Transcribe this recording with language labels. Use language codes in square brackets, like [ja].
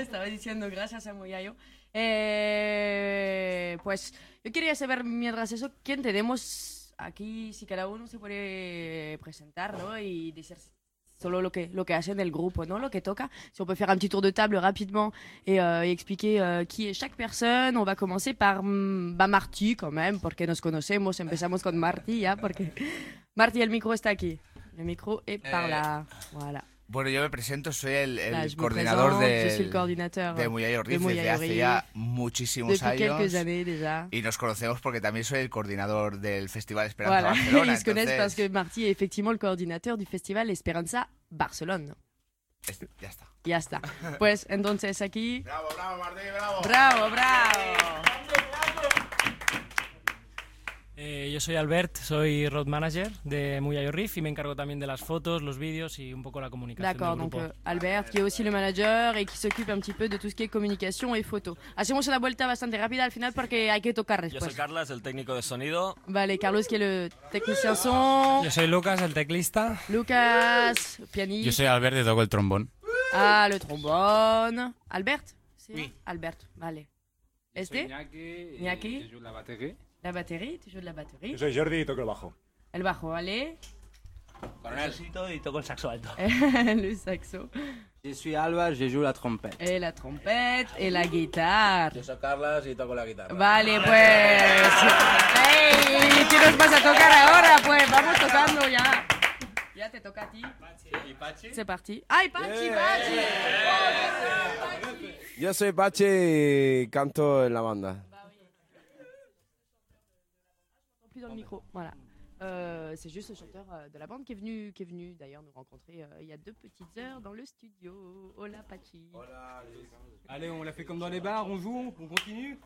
[es] Diciendo gracias a Muyayo. Pues yo quería saber, mientras eso, quién tenemos aquí, si cada uno se puede presentar, ¿no? Y decir solo lo que hace en el grupo, ¿no? Lo que toca. [fr] Si on peut faire un petit tour de table rapidement et expliquer qui est chaque personne. On va commencer par Marty, quand même, [es] porque nos conocemos. Empezamos con Marty, ¿ya? Porque Marty, el micro está aquí. [fr] El micro est par là. [es] Voilà. Bueno, yo me presento, soy el coordinador de Muyay O'Riff desde hace ya muchísimos [fr] depuis [es] años. [fr] Quelques années, déjà. [es] Y nos conocemos porque también soy el coordinador del Festival Esperanza Barcelona. [fr] Ils se connaissent parce que Marty est effectivement le coordinateur du Festival Esperanza Barcelona. [es] Ya está. Pues entonces aquí. Bravo, Marty. Yo soy Albert, soy road manager de Muyay O'Riff y me encargo también de las fotos, los vídeos y un poco la comunicación. [fr] D'accord, [es] del grupo. [fr] Donc Albert, qui est aussi le manager et qui s'occupe un petit peu de tout ce qui est communication et photo. [es] Hacemos una vuelta bastante rápida al final porque hay que tocar después. Yo soy Carlos, el técnico de sonido. [fr] Vale, Carlos, qui est le technicien son. [es] Yo soy Lucas, el teclista. Lucas, pianista. Yo soy Albert, y toco el trombón. [fr] Ah, le trombone. Albert, [es] ¿sí? [fr] Oui. [es] Albert, vale. [fr] Este. Iñaki. Je joue la batterie. La batterie, tu joues la batterie. Je suis [es] Jordi y toco el bajo. El bajo, vale. Coronelcito y toco el saxo alto. [fr] Le saxo. Je suis Alba, je joue la trompette. Et la trompette et la guitare. Je suis [es] Carlos y toco la guitarra. Vale, pues. Hey, ¿qué nos vas a tocar ahora? Pues vamos tocando ya. Ya te toca a ti. Pachi. [fr] C'est parti. ¡Ay, Pachi! Yeah. ¡Pachi! [es] Yo soy Pachi y canto en la banda. [fr] Bah, oui. Plus dans le micro. Voilà. C'est juste le chanteur de la bande qui est venu d'ailleurs nous rencontrer il y a deux petites heures dans le studio. [es] Hola, Pachi. [fr] Allez, on l'a fait comme dans les bars, on joue, on continue.